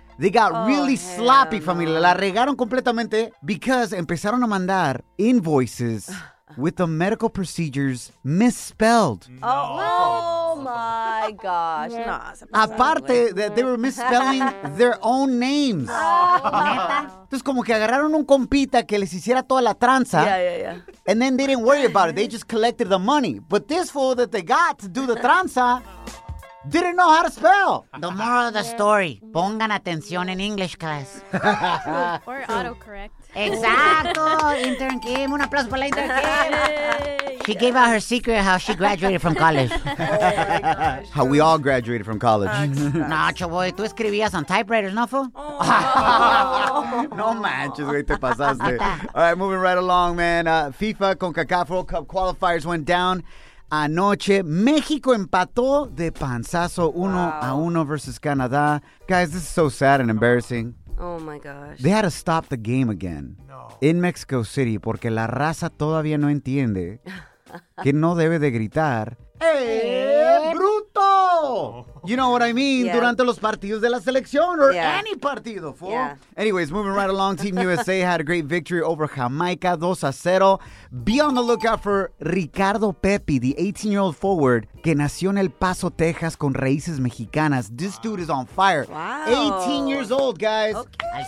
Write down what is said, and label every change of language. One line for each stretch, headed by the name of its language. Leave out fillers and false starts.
English: They got really sloppy, familia.
Spanish: La regaron completamente
English: because
Spanish: empezaron a mandar
English: invoices with the medical procedures misspelled. No. Oh my gosh. No. Aparte, that they were misspelling their own names.
Spanish: Entonces, como que agarraron un compita que les hiciera toda la tranza.
English: Yeah. And then they didn't worry about it. They just collected the money. But this fool that they got to do the tranza didn't know how to spell. The moral of the story.
Spanish: Pongan atención en
English: English class. Or autocorrect.
Spanish: Exacto. Intern Kim. Un aplauso para la intern Kim.
English: She gave out her secret how she graduated from college. Oh my gosh. How we all graduated from college. Nacho, boy.
Spanish: Tú escribías
English: on typewriters,
Spanish: ¿no, fo? No manches, güey. Te pasaste.
English: All right, moving right along, man. FIFA CONCACAF World Cup qualifiers went down.
Spanish: Anoche, México empató de panzazo 1-1 versus Canadá.
English: Guys, this is so sad and embarrassing. Oh, my gosh. They had to stop the game again in Mexico City
Spanish: porque la raza todavía no entiende que no debe de gritar, ¡eh, bruto!
English: You know what I mean? Yeah.
Spanish: Durante los partidos de la selección
English: or any
Spanish: partido, fool.
English: Yeah. Anyways, moving right along. Team USA had a great victory over Jamaica, 2-0. Be on the lookout for Ricardo Pepi, the 18-year-old forward
Spanish: que nació en El Paso, Texas, con raíces mexicanas.
English: This dude is on fire. Wow. 18 years old, guys. Okay.